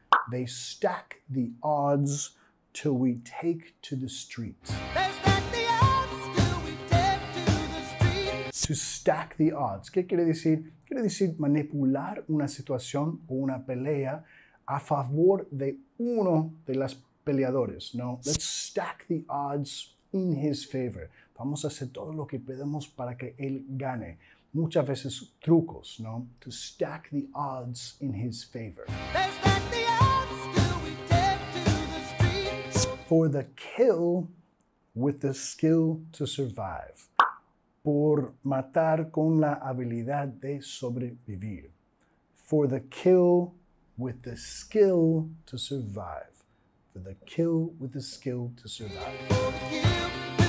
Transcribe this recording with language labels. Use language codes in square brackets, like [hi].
[en] They stack the odds till we take to the street. They stack the odds till we take to the street. To stack the odds. [es] ¿Qué quiere decir? Quiere decir manipular una situación o una pelea a favor de uno de los peleadores, ¿no? [en] Let's stack the odds in his favor. [es] Vamos a hacer todo lo que podemos para que él gane. Muchas veces trucos, ¿no? [en] To stack the odds in his favor. They stack the odds till we take to the street. For the kill with the skill to survive. [es] Por matar con la habilidad de sobrevivir. [en] For the kill with the skill to survive. For the kill with the skill to survive.